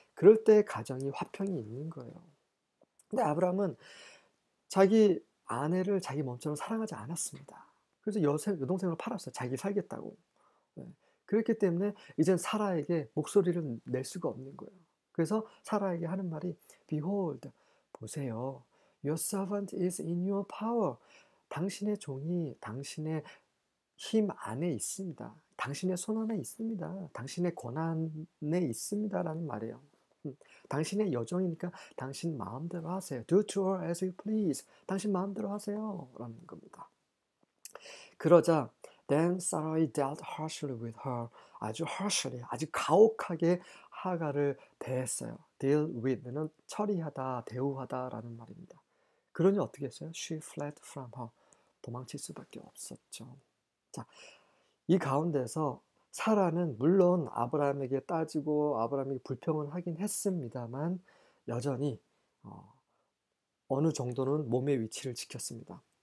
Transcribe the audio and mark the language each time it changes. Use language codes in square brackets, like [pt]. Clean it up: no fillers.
[ko] 그럴 때 가정이 화평이 있는 거예요. 근데 아브라함은 자기 아내를 자기 몸처럼 사랑하지 않았습니다. 그래서 여동생으로 팔았어요. 자기 살겠다고. 그렇기 때문에 이젠 사라에게 목소리를 낼 수가 없는 거예요. 그래서 사라에게 하는 말이 [en] Behold, [ko] 보세요. [en] Your servant is in your power. [ko] 당신의 종이 당신의 힘 안에 있습니다. 당신의 손 안에 있습니다. 당신의 권한에 있습니다라는 말이에요. 당신의 여종이니까 당신 마음대로 하세요. [en] Do to her as you please. [ko] 당신 마음대로 하세요라는 겁니다. 그러자 [en] Then Sarai dealt harshly with her. [ko] 아주 harshly, 아주 가혹하게 하갈을 대했어요. Deal with는 처리하다, 대우하다라는 말입니다. 그러니 어떻게 했어요? [en] She fled from her. [ko] 도망칠 수밖에 없었죠. 자, 이 가운데서 사라는 물론 아브라함에게 따지고 아브라함이 불평을 하긴 했습니다만 여전히 어느 정도는 몸의 위치를 지켰습니다.